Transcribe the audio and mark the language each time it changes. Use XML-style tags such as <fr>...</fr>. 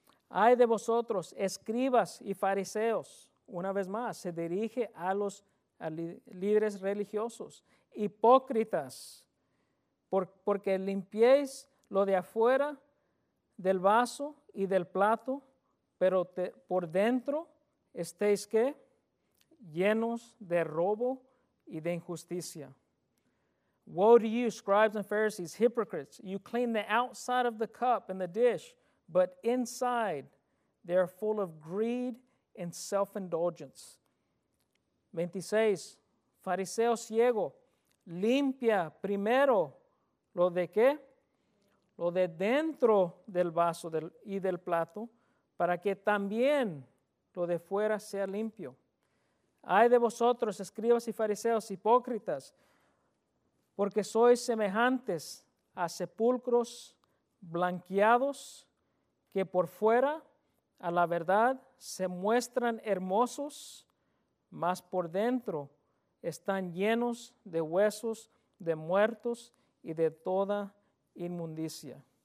<es>Ay de vosotros, escribas y fariseos. Una vez más, se dirige a los líderes religiosos, hipócritas, porque limpiéis lo de afuera del vaso y del plato, pero por dentro estéis, ¿qué? Llenos de robo y de injusticia.</es> <en>Woe to you, scribes and Pharisees, hypocrites! You clean the outside of the cup and the dish, but inside they are full of greed and self-indulgence.</en> <es>26, fariseo ciego, limpia primero lo de qué? Lo de dentro del vaso y del plato, para que también lo de fuera sea limpio. Ay de vosotros, escribas y fariseos, hipócritas, porque sois semejantes a sepulcros blanqueados que por fuera a la verdad se muestran hermosos, mas por dentro están llenos de huesos de muertos y de toda inmundicia.</es>